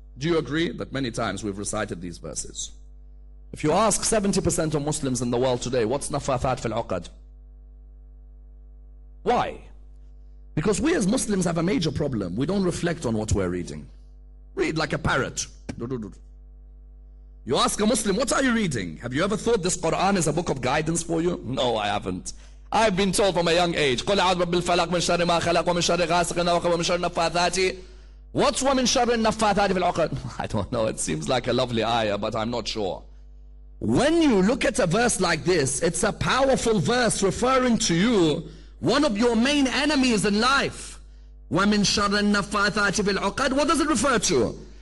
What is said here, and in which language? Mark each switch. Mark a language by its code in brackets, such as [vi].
[en] Do you agree that many times we've recited these verses? If you ask 70% of Muslims in the world today, what's [ar] نَفَّاثَات فِي الْعُقَد? [en] Why? Because we as Muslims have a major problem. We don't reflect on what we're reading. Read like a parrot. You ask a Muslim, what are you reading? Have you ever thought this Quran is a book of guidance for you? No, I haven't. I've been told from a young age, [ar] قُلْ أَعُوذُ بِرَبِّ الْفَلَقِ مِنْ شَرِّ مَا خَلَقَ وَمِنْ شَرِّ غَاسِقٍ إِذَا وَقَبَ وَمِنْ شَرِّ النَّفَّاثَاتِ. [en] What's [ar] وَمِنْ شَرِّ النَّفَّاثَاتِ فِي الْعُقَدِ? [en] I don't know. It seems like a lovely ayah, but I'm not sure. When you look at a verse like this, it's a powerful verse referring to you, one of your main enemies in life. [ar] وَمِن شَرَّ النَّفَّاثَاتِ فِي الْعُقَدِ. [en] What does it refer to?